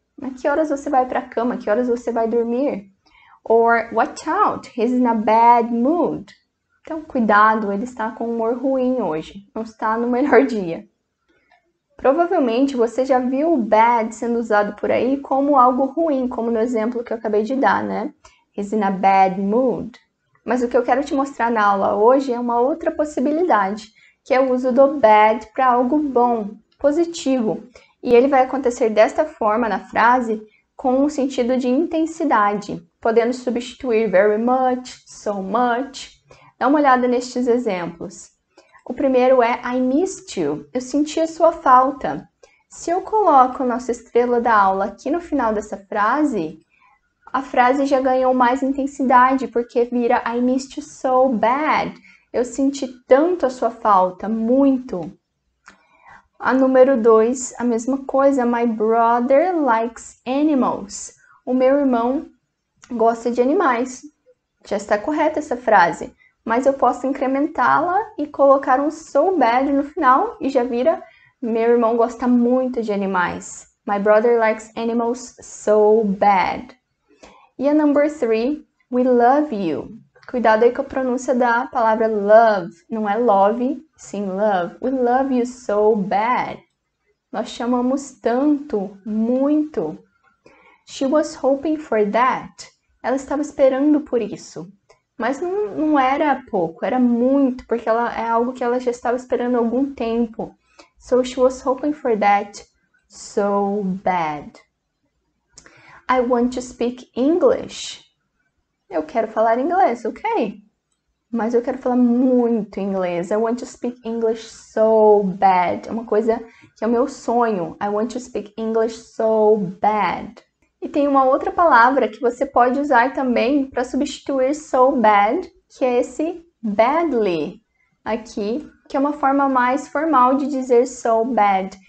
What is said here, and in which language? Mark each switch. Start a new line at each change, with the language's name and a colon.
Portuguese: A que horas você vai para a cama? A que horas você vai dormir?
English: Or, watch out, he's in a bad mood.
Portuguese: Então, cuidado, ele está com humor ruim hoje. Não está no melhor dia. Provavelmente você já viu o bad sendo usado por aí como algo ruim, como no exemplo que eu acabei de dar, né?
English: He's in a bad mood.
Portuguese: Mas o que eu quero te mostrar na aula hoje é uma outra possibilidade, que é o uso do bad para algo bom, positivo. E ele vai acontecer desta forma na frase com um sentido de intensidade, podendo substituir
English: very much, so much.
Portuguese: Dá uma olhada nestes exemplos. O primeiro é
English: I missed you.
Portuguese: Eu senti a sua falta. Se eu coloco a nossa estrela da aula aqui no final dessa frase, a frase já ganhou mais intensidade, porque vira
English: I missed you so bad.
Portuguese: Eu senti tanto a sua falta, muito. A número 2, a mesma coisa.
English: My brother likes animals.
Portuguese: O meu irmão gosta de animais. Já está correta essa frase. Mas eu posso incrementá-la e colocar um
English: so bad
Portuguese: no final e já vira: meu irmão gosta muito de animais.
English: My brother likes animals so bad.
Portuguese: E a
English: number 3, we love you.
Portuguese: Cuidado aí com a pronúncia da palavra love. Não é love, sim love.
English: We love you so bad.
Portuguese: Nós chamamos tanto, muito.
English: She was hoping for that.
Portuguese: Ela estava esperando por isso. Mas não era pouco, era muito, porque ela é algo que ela já estava esperando há algum tempo.
English: So she was hoping for that so bad. I want to speak English.
Portuguese: Eu quero falar inglês, ok? Mas eu quero falar muito inglês.
English: I want to speak English so bad.
Portuguese: É uma coisa que é o meu sonho.
English: I want to speak English so bad.
Portuguese: E tem uma outra palavra que você pode usar também para substituir
English: so bad,
Portuguese: que é esse badly aqui, que é uma forma mais formal de dizer so bad.